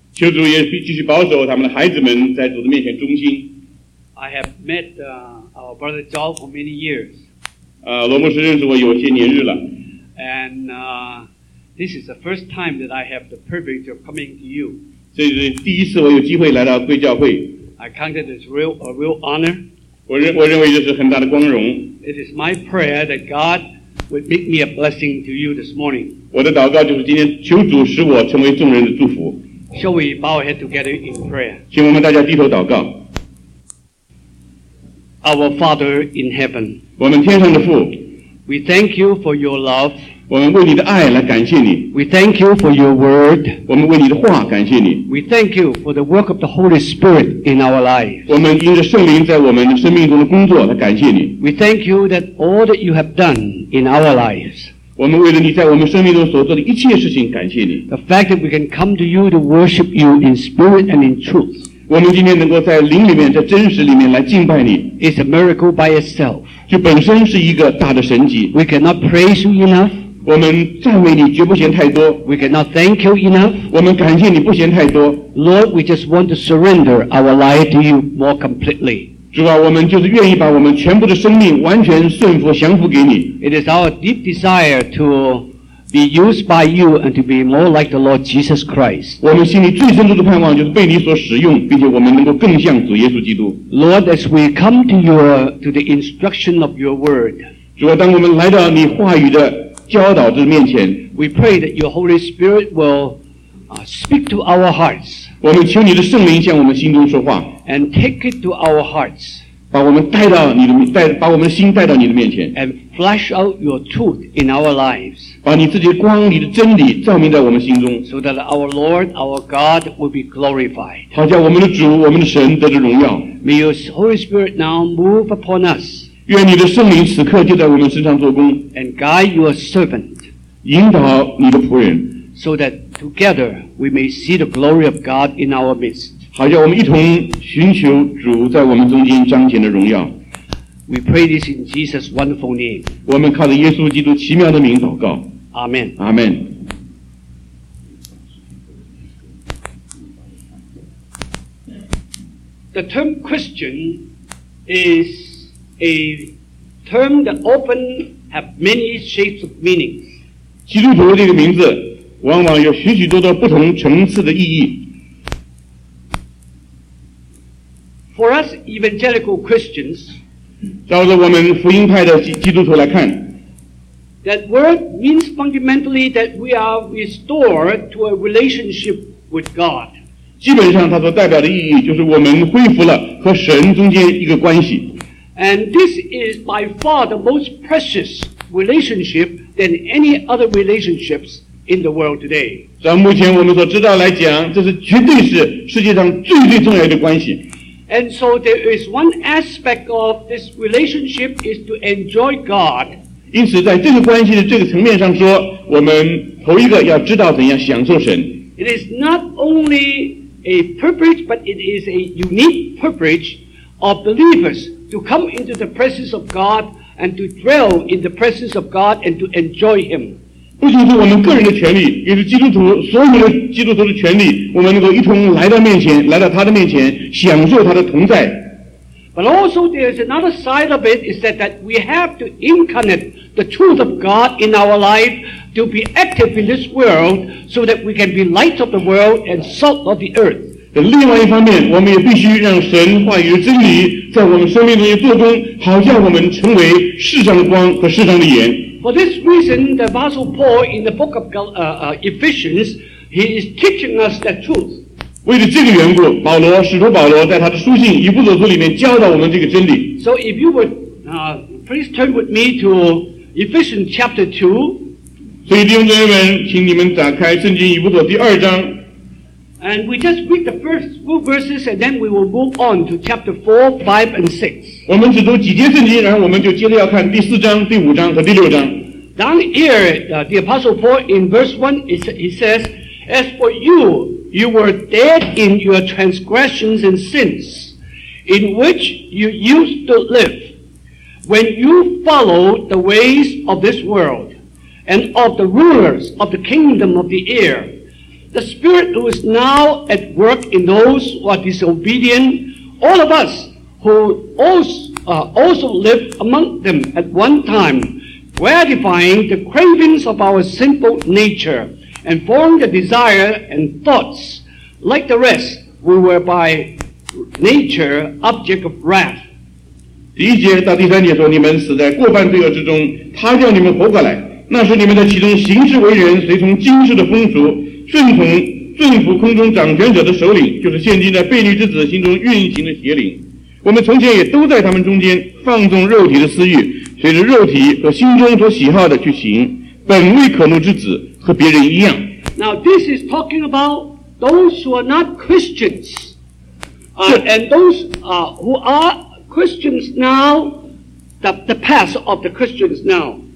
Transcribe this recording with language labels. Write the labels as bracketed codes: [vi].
[zh] 求主也继续保守他们的孩子们在主的面前忠心。 [en] I have met our brother Zhao for many years. [zh] 罗牧师认识我有些年日了。 [en] And this is the first time that I have the privilege of coming to you. [zh] 这是第一次我有机会来到贵教会。 [en] I count it as a real honor. [zh] 我认为这是很大的光荣。 [en] It is my prayer that God. Would make me a blessing to you this morning. [zh] 我的祷告就是今天求主使我成为众人的祝福。 [en] Shall we bow our head together in prayer? [zh] 请我们大家低头祷告。 [en] Our Father in heaven. [zh] 我们天上的父。 [en] We thank you for your love. [zh] 我们为你的爱来感谢你。 [en] We thank you for your word. [zh] 我们为你的话感谢你。 [en] We thank you for the work of the Holy Spirit in our life. [zh] 我们因着圣灵在我们生命中的工作来感谢你。 [en] We thank you that all that you have done. In our lives. [zh] 我们为了你在我们生命中所做的一切事情感谢你。 [en] The fact that we can come to you to worship you in spirit and in truth. [zh] 我们今天能够在灵里面，在真实里面来敬拜你。 [en] It's a miracle by itself. [zh] 就本身是一个大的神迹。 [en] We cannot praise you enough. [zh] 我们赞美你绝不嫌太多。 [en] We cannot thank you enough. [zh] 我们感谢你不嫌太多。 [en] Lord, we just want to surrender our life to you more completely. [zh] 主啊，我们就是愿意把我们全部的生命完全顺服降服给你。 [en] It is our deep desire to be used by you and to be more like the Lord Jesus Christ. [zh] 我们心里最深处的盼望就是被你所使用，并且我们能够更像主耶稣基督。 [en] Lord, as we come to the instruction of your word, [zh] 主啊，当我们来到你话语的教导的面前， [en] we pray that your Holy Spirit will speak to our hearts. [zh] 我们求你的圣灵向我们心中说话。 [en] And take it to our hearts. [zh] 把我们的心带到你的面前。 [en] And flash out your truth in our lives. [zh] 把你自己的光、你的真理照明在我们心中。 [en] So that our Lord, our God will be glorified. [zh] 好叫我们的主、我们的神得着荣耀。 [en] May your Holy Spirit now move upon us. [zh] 愿你的圣灵此刻就在我们身上做工。 [en] And guide your servant. [zh] 引导你的仆人。 [en] So that together we may see the glory of God in our midst. [zh] 好叫我们一同寻求主在我们中间彰显的荣耀。 [en] We pray this in Jesus' wonderful name. [zh] 我们靠着耶稣基督奇妙的名祷告。 [en] Amen. Amen. The term Christian is a term that often have many shapes of meaning. [zh] 基督徒这个名字往往有许许多多不同层次的意义。 [en] For us evangelical Christians, [zh] 照着我们福音派的基督徒来看 [en] that word means fundamentally that we are restored to a relationship with God. [zh] 基本上它所代表的意义就是我们恢复了和神中间一个关系。 [en] And this is by far the most precious relationship than any other relationships in the world today. [zh] 在目前我们所知道来讲，这是绝对是世界上最最重要的关系。 [en] And so there is one aspect of this relationship is to enjoy God. [zh] 因此在这个关系的这个层面上说，我们头一个要知道怎样享受神。 [en] It is not only a privilege, but it is a unique privilege of believers to come into the presence of God and to dwell in the presence of God and to enjoy Him. [zh] 不仅是我们个人的权利，也是基督徒所有的基督徒的权利，我们能够一同来到面前，来到他的面前，享受他的同在。 [en] But also there is another side of it, is that we have to incarnate the truth of God in our life to be active in this world so that we can be light of the world and salt of the earth. [zh] 另外一方面，我们也必须让神话语真理在我们生命中做工，好叫我们成为世上的光和世上的盐。 [en] For this reason, the Apostle Paul in the book of Ephesians, he is teaching us that truth. [zh] 为了这个缘故，保罗，使徒保罗在他的书信《以弗所书》里面教导我们这个真理。 [en] So if you would, please turn with me to Ephesians chapter 2. [zh] 所以弟兄姊妹们，请你们打开圣经《以弗所》第二章。 [en] And we just read the first few verses and then we will move on to chapter 4, 5 and 6. [zh] 我们只读几节圣经，然后我们就接着要看第四章、第五章和第六章。 [en] Down here, the Apostle Paul in verse 1, he says, As for you, you were dead in your transgressions and sins, in which you used to live, when you followed the ways of this world, and of the rulers of the kingdom of the air,The spirit who is now at work in those who are disobedient, all of us who also lived among them at one time, gratifying the cravings of our sinful nature and formed the desire and thoughts. Like the rest, we were by nature object of wrath. [zh] 第一节到第三节说，你们死在过半罪恶之中，他叫你们活过来，那是你们在其中行事为人，随从今世的风俗。顺从政府空中掌权者的首领，就是现今在悖逆之子心中运行的邪灵。我们从前也都在他们中间放纵肉体的私欲，随着肉体和心中所喜好的去行，本未可怒之子和别人一样。 [en] Now this is talking about those who are not Christians, and those who are Christians now, the past of the Christians now.